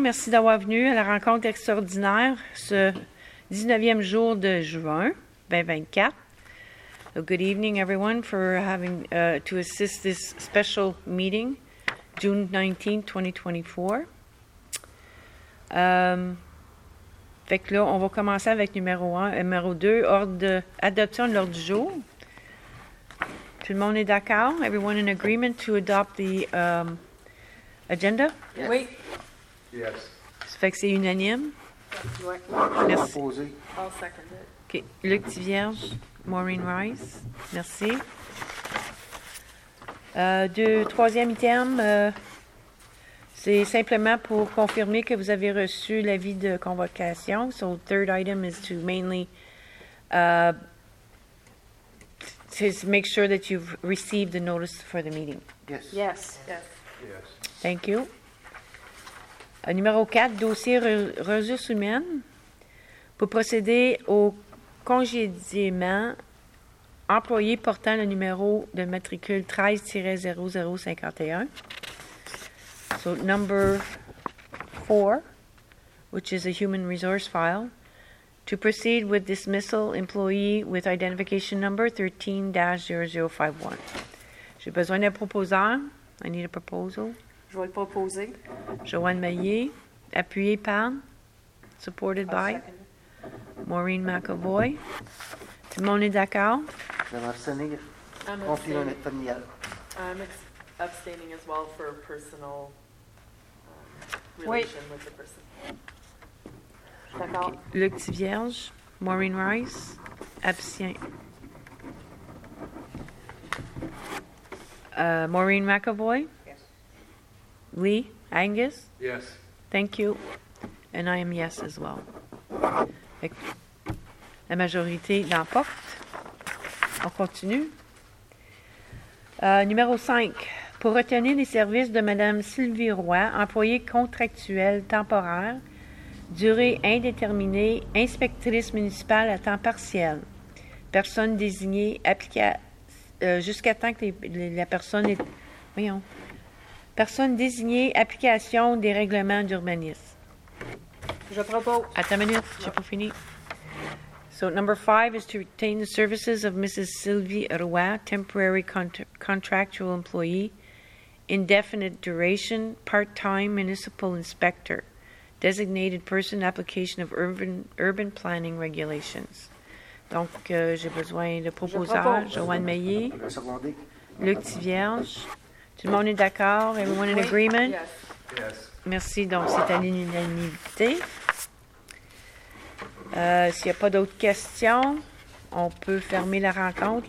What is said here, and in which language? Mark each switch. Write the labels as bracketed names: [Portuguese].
[French] Merci d'avoir venu à la rencontre extraordinaire ce 19e jour de juin 2024. [English] So good evening everyone for having to assist this special meeting, June 19, 2024. [French] Fait que là, on va commencer avec numéro 1 et numéro 2, ordre de, adoption de l'ordre du jour. Tout le monde est d'accord? [English] Everyone in agreement to adopt the agenda? Yes. [French] Oui. [English] Yes. [French] Ça fait que c'est unanime? Oui. Merci. [English] I'll second it. [French] OK. Luc Thivierge, Maureen Rice. Merci. Troisième item, c'est simplement pour confirmer que vous avez reçu l'avis de convocation. [English] So, third item is to mainly... to make sure that you've received the notice for the meeting. Yes. Yes. Yes. Yes. Thank you. [French] Numéro 4, dossier ressources humaines. Pour procéder au congédiement, employé portant le numéro de matricule 13-0051. [English] So, number 4, which is a human resource file. To proceed with dismissal employee with identification number 13-0051. [French] J'ai besoin d'un proposeur. [English] I need a proposal. [French] Je vais le proposer. Joanne Maillet. Appuyé par. [English] Supported I'll by. Second. Maureen McAvoy. [French] Tout le monde est d'accord? Je vais abstenir. [English] I'm abstaining as well for personal relation Wait. With the person. [French] Okay. Luc Thivierge, Maureen Rice, abstient. [English] Maureen McAvoy? Yes. Lee, Angus? Yes. Thank you. And I am yes as well. [French] La majorité l'emporte. On continue. Numéro 5. Pour retenir les services de Mme Sylvie Roy, employée contractuelle temporaire, durée indéterminée, inspectrice municipale à temps partiel. Personne désignée jusqu'à temps que la personne est. Voyons. Personne désignée, application des règlements d'urbanisme. Je propose. Attends une minute, j'ai pas fini. [English] So, number 5 is to retain the services of Mrs. Sylvie Roy, temporary contractual employee, indefinite duration, part-time municipal inspector. Designated person application of urban planning regulations. [French] Donc, j'ai besoin de proposer Joanne Maillet, Luc Thivierge. Tout le monde est d'accord? [English] Everyone in agreement? Yes. Yes. [French] Merci. Donc, c'est à l'unanimité. S'il n'y a pas d'autres questions, on peut fermer la rencontre.